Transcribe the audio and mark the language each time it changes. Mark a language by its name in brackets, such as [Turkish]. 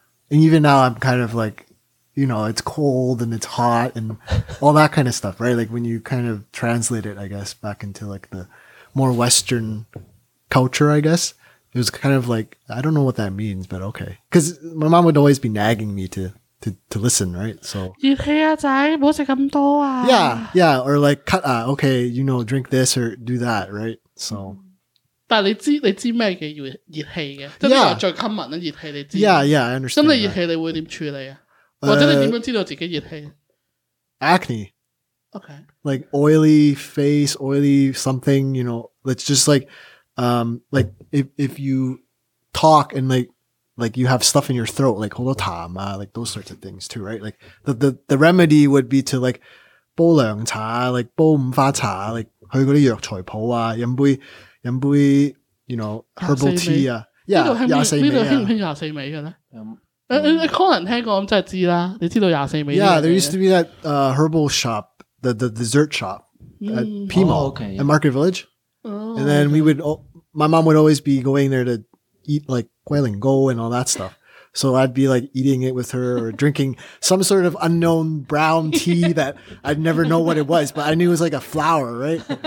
[English] And even now I'm kind of like, you know, it's cold and it's hot and all that kind of stuff, right? Like when you kind of translate it, I guess, back into like the more Western culture, I guess. It was kind of like, I don't know what that means, but okay. Because my mom would always be nagging me to listen, right? So, [Cantonese] 熱氣啊，仔，唔好食咁多啊。 [English] Yeah, yeah. Or like, cut, okay, you know, drink this or do that, right? So, [Cantonese] 但你知咩叫熱氣嘅？即係話最 common 嘅熱氣，你知。 [English] Yeah, yeah, I understand. [Cantonese] 咁你熱氣你會點處理啊？或者你點樣知道自己熱氣 [English] ？Acne. Okay. Like oily face, oily something, you know, it's just like,like if you talk and like you have stuff in your throat, like hold on, like those sorts of things too, right? Like the remedy would be to like, [Cantonese] 煲凉茶, [English] like [Cantonese] 煲五花茶, [English] like [Cantonese] 去嗰啲药材铺啊, 饮杯, [English] you know, herbal tea, 啊, yeah, [Cantonese] 24味, 呢度兴唔兴24味嘅咧? 你可能听过咁真系知啦, 你知道24味, [English] yeah, there used to be that herbal shop, the dessert shop at Pmall, okay, at Market Village. Oh, and then we would, my mom would always be going there to eat like guilingo and all that stuff. So I'd be like eating it with her or drinking some sort of unknown brown tea that I'd never know what it was, but I knew it was like a flower, right?